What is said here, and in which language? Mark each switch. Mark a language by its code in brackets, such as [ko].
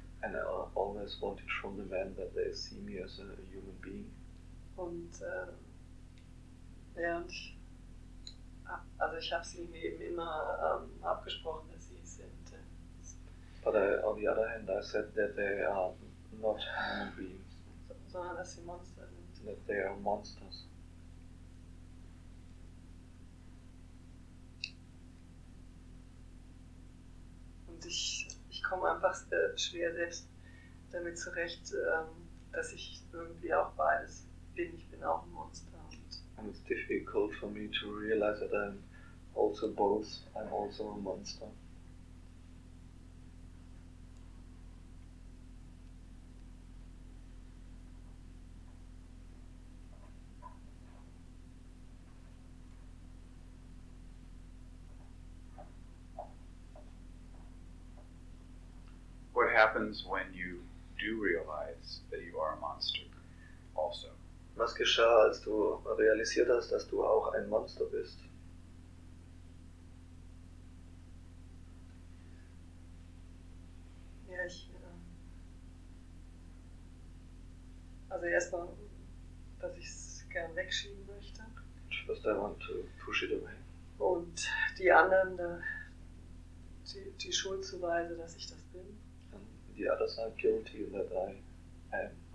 [en] And I always wanted from the men that they see me as a human being. [de] Und Ja, und ich, also ich habe sie mir eben immer abgesprochen, dass sie es sind. [en] But on the other hand, I said that they are not human beings. [de] Sondern dass sie Monster sind. [en] That they are monsters. [de] Und ich komme einfach schwer selbst damit zurecht, dass ich irgendwie auch beides bin. Ich bin auch ein Monster. [en] And it's difficult for me to realize that I'm also both, I'm also a monster. What happens when you do realize that you are a monster also? [de] Was geschah, als du realisiert hast, dass du auch ein Monster bist? Ja, ich. Also erstmal, dass ich es gern wegschieben möchte. [en] First I want to push it away. [de] Und die anderen, die Schuld zuweise, dass ich das bin. [en] And the others are guilty that I am.